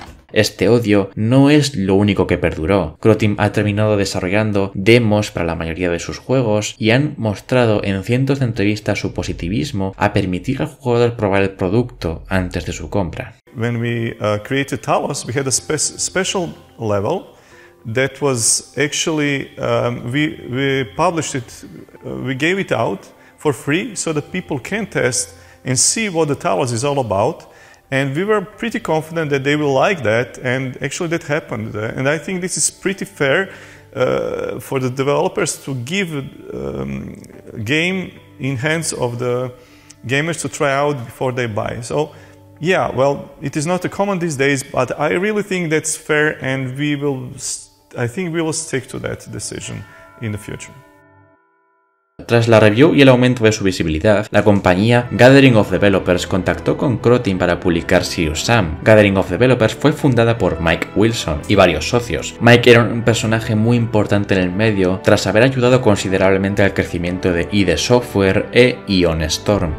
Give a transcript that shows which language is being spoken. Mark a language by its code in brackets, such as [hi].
[es] Este odio no es lo único que perduró. Croteam ha terminado desarrollando demos para la mayoría de sus juegos y han mostrado en cientos de entrevistas su positivismo a permitir al jugador probar el producto antes de su compra. [en] When we created Talos, we had a special level that was actually we published it, we gave it out for free so that people can test and see what the Talos is all about. And we were pretty confident that they will like that, and actually that happened. And I think this is pretty fair for the developers to give game in hands of the gamers to try out before they buy. So, yeah, well, it is not common these days, but I really think that's fair, and I think we will stick to that decision in the future. [es] Tras la review y el aumento de su visibilidad, la compañía Gathering of Developers contactó con Croteam para publicar Serious Sam. Gathering of Developers fue fundada por Mike Wilson y varios socios. Mike era un personaje muy importante en el medio tras haber ayudado considerablemente al crecimiento de id Software e Ion Storm.